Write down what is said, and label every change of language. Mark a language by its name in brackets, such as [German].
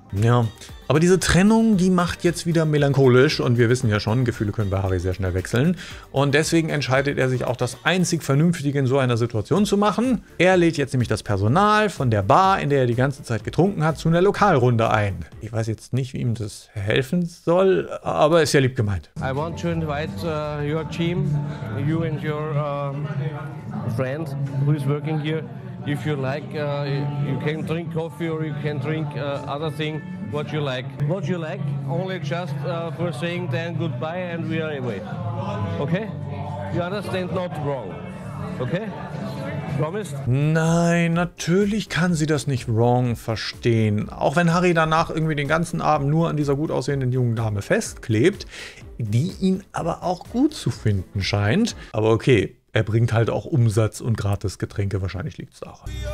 [German] Ja, aber diese Trennung, die macht jetzt wieder melancholisch und wir wissen ja schon, Gefühle können bei Harry sehr schnell wechseln. Und deswegen entscheidet er sich auch, das einzig Vernünftige in so einer Situation zu machen. Er lädt jetzt nämlich das Personal von der Bar, in der er die ganze Zeit getrunken hat, zu einer Lokalrunde ein. Ich weiß jetzt nicht, wie ihm das helfen soll, aber ist ja lieb gemeint. [English] I want to invite your team, you and your friend, who is working here. If you like, you can drink coffee or you can drink other thing, what you like. What you like, only just for saying then goodbye and we are away. Okay? You understand not wrong. Okay? Promised? [German] Nein, natürlich kann sie das nicht wrong verstehen. Auch wenn Harry danach irgendwie den ganzen Abend nur an dieser gut aussehenden jungen Dame festklebt, die ihn aber auch gut zu finden scheint. Aber okay. Er bringt halt auch Umsatz und gratis Getränke, wahrscheinlich liegt es auch.